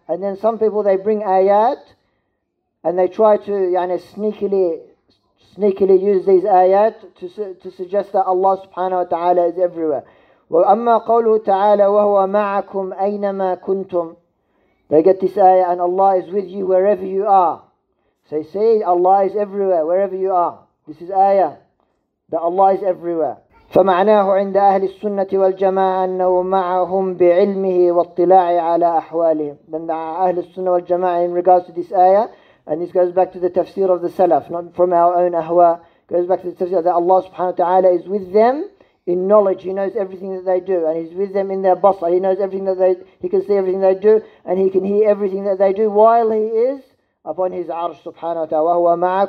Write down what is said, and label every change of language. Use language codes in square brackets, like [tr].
[en] And then some people, they bring ayat, and they try to sneakily use these ayat to suggest that Allah subhanahu wa ta'ala is everywhere. [ar] وَأَمَّا قَوْلُهُ تَعَالَى وَهُوَ مَعَكُمْ أَيْنَمَا كُنْتُمْ. [en] They get this ayah, and Allah is with you wherever you are. So you see, Allah is everywhere, wherever you are. This is ayah, that Allah is everywhere. [ar] فمعناه عند أهل السنة والجماعة أنه معهم بعلمه واطلاعه على أحوالهم. [en] Then the أهل السنة والجماعة, in regards to this ayah, and this goes back to the tafsir of the Salaf, not from our own ahwa, goes back to the tafsir that Allah subhanahu wa ta'ala is with them in knowledge. He knows everything that they do, and he's with them in their basar. He knows everything that they, he can see everything they do, and he can hear everything that they do while he is upon his arsh subhanahu wa ta'ala.